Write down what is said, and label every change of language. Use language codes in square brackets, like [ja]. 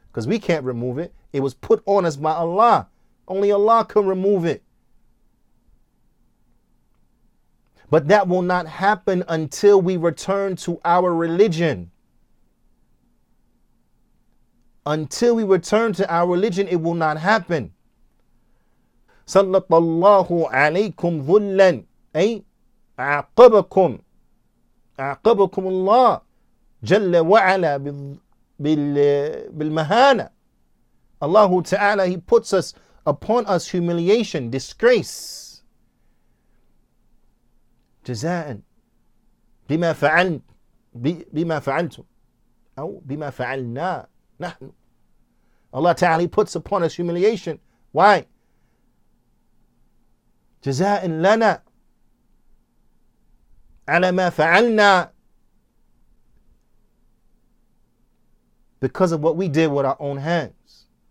[en] Because we can't remove it. It was put on us by Allah. Only Allah can remove it. But that will not happen until we return to our religion. Until we return to our religion, it will not happen. [ar] سَلَّطَ اللَّهُ عَلَيْكُمْ ذُلًّا أي عَقَبَكُمْ عَقَبَكُمْ اللَّهُ جَلَّ وَعَلَى بِالْمَهَانَ [en] Allah Ta'ala, He puts us upon us humiliation, disgrace. [ar] جَزَاءً بِمَا فَعَلْتُمْ أو بِمَا فَعَلْنَا نَحْنُ [en] Allah Ta'ala, He puts upon us humiliation. Why? [ar] جَزَاءً لَنَا عَلَى مَا فَعَلْنَا [en] Because of what we did with our own hands.